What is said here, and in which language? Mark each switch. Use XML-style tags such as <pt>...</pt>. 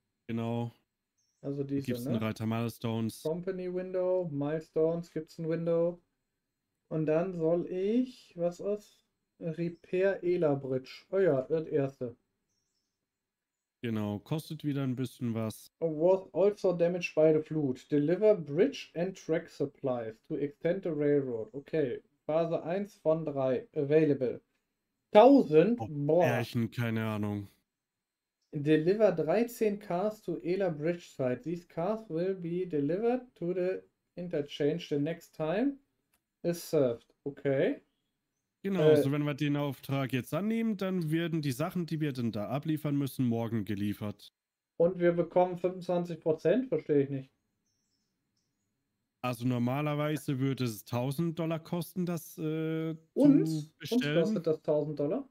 <de>Genau. Also diese, gibt's einen Reiter Milestones. Company Window, Milestones, gibt's ein Window. Und dann soll ich, was ist?</de> <en>Repair Ela Bridge.</en> <de>Oh ja, das erste. Genau, kostet wieder ein bisschen was.</de> <en>Was also damaged by the flood. Deliver bridge and track supplies to extend the railroad.</en> <de>Okay, Phase 1 von 3. Available. 1000? Oh, boah. Ärchen, keine Ahnung.</de> <en>Deliver 13 cars to Ela Bridge Site. These cars will be delivered to the interchange the next time is served.</en> <de>Okay. Genau, also wenn wir den Auftrag jetzt annehmen, dann werden die Sachen, die wir denn da abliefern müssen, morgen geliefert. Und wir bekommen 25%? Verstehe ich nicht. Also normalerweise würde es $1000 kosten, das uns bestellen. Uns kostet das $1000?</de>